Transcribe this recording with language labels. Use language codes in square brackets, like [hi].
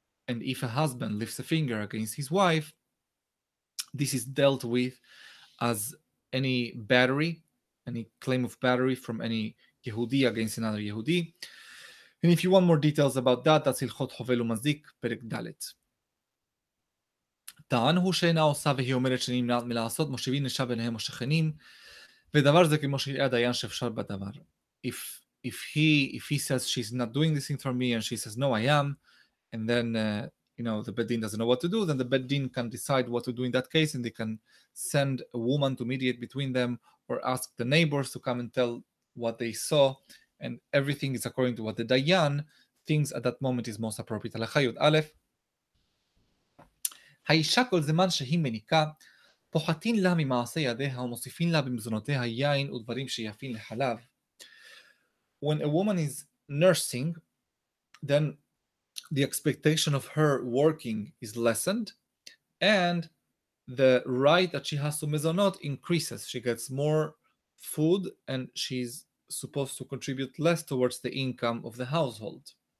[en] And if a husband lifts a finger against his wife, this is dealt with as any battery, any claim of battery from any Yehudi against another Yehudi. And if you want more details about that, that's Hilchot Hovel Umazik, Perek Dalet. [he] טען הוא שאינה עושה והיא אומרת שאני מנעת מלעשות, מושיבים נשא ביניהם או שכנים, ודבר זה כמו שיראה דיין שאפשר בדבר. [en] If he says she's not doing this thing for me, and she says no, I am, and then, you know, the bedin doesn't know what to do, then the bedin can decide what to do in that case, and they can send a woman to mediate between them, or ask the neighbors to come and tell what they saw, and everything is according to what the dayan thinks at that moment is most appropriate. [he] הלכה יוד א', האישה כל זמן שהיא מניקה, פוחתין לה ממעשה ידיה ומוסיפין לה במזונותיה יין ודברים שיפין לחלב. [en] When a woman is nursing, then the expectation of her working is lessened, and the right that she has to mezonot increases. She gets more food, and she's supposed to contribute less towards the income of the household.